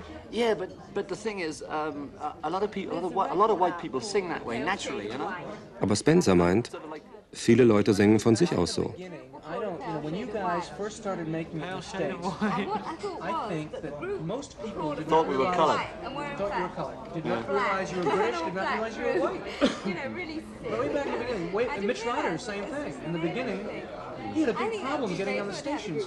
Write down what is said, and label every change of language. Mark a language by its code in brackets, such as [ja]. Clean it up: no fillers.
[en] Yeah, but the thing is, a lot of white people sing that way naturally, you know. [de] Aber Spencer meint, viele Leute singen von sich aus so. [en] When you guys first started making the mistakes, I think that most people did thought we were colored. Thought you were colored. Did not realize you were British. Did not realize you were white. You know, really sick. Way back in the beginning, Mitch Ryder, same thing. In the beginning. He had a big problem getting on the stations.